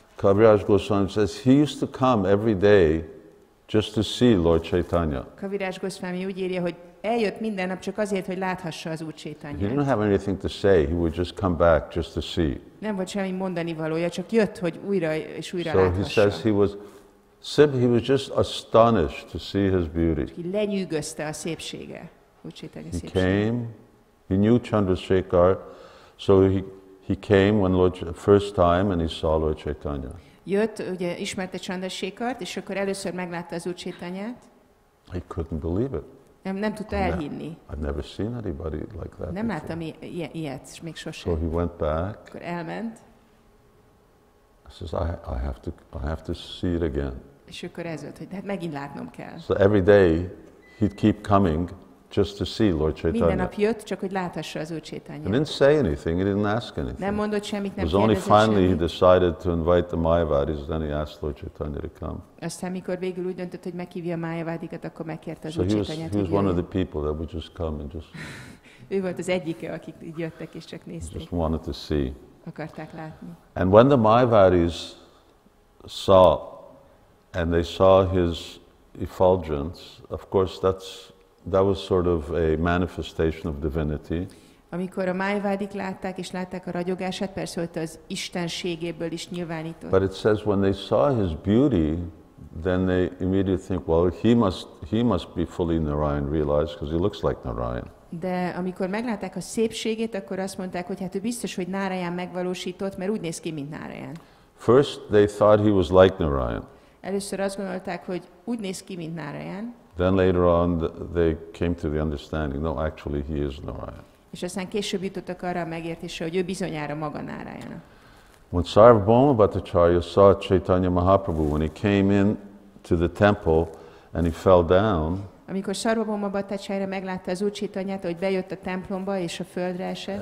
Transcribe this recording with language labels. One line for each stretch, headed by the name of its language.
English: Kaviraj Goswami says he used to come every day just to see Lord Chaitanya.
Hungarian: Kaviraj Goswami úgy írja, hogy eljött minden nap csak azért, hogy láthassa az Úr Csaitanyát.
English: He didn't have anything to say. He would just come back just to see.
Hungarian: Nem volt semmi mondani valója, csak jött, hogy újra és újra láthassa.
English: So he says he was just astonished to see his beauty.
Hungarian: Lenyűgözte a szépsége.
English: He came. He knew Chandrasekhar, so he came when Lord first time and he saw Lord Chaitanya.
Hungarian: Jött, ugye ismerte Chandrasekhart, és akkor először meglátta az Úr Csaitanyát.
English: I couldn't believe it.
Hungarian: Nem tudta elhinni.
English: I've never seen anybody like that.
Hungarian: Nem láttam ilyet, és még sosem.
English: So he went back.
Hungarian: Akkor elment.
English: He says, I have to see it again.
Hungarian: És akkor ez volt, hogy hát megint látnom kell.
English: So every day he'd keep coming just to see Lord Chaitanya.
Hungarian: Minden nap jött, csak hogy láthassa az Úr Csaitanyát.
English: He didn't say anything, he didn't ask anything.
Hungarian: Nem mondott semmit, nem
English: It was only finally
Hungarian: semmit.
English: He decided to invite the Mayavadis, then he asked Lord Chaitanya to come.
Hungarian: Aztán, mikor végül úgy döntött, hogy meghívja a Mayavadikat, akkor megkérte az
English: so
Hungarian: Úr Csaitanyát.
English: He was one of the people that would just come and just...
Hungarian: Ő volt az egyike, akik így jöttek és csak nézték.
English: Just wanted to see.
Hungarian: Akarták látni.
English: And when the Mayavadis saw, and they saw his effulgence, of course that was sort of a manifestation of divinity.
Hungarian: Amikor a Mayavadik látták és látták a ragyogását, persze ott az istenségéből is nyilvánított.
English: But it says when they saw his beauty, then they immediately think, well, he must be fully Narayan realized because he looks like Narayan.
Hungarian: De amikor meglátták a szépségét, akkor azt mondták, hogy hát ő biztos, hogy Narayan megvalósított, mert úgy néz ki, mint Narayan.
English: First they thought he was like Narayan.
Hungarian: Először azt gondolták, hogy úgy néz ki, mint Narayan.
English: Then later on, they came to the understanding. No, actually, he is Narayan.
Hungarian: És aztán később jutottak arra a megértésre, hogy ő bizonyára maga Narayan.
English: When Sarvabhauma Bhattacharya saw Chaitanya Mahaprabhu when he came in to the temple and he fell down.
Hungarian: Amikor Sarvabhauma Bhattacharya meglátta az Úr Csaitanyát, hogy bejött a templomba és a földre esett.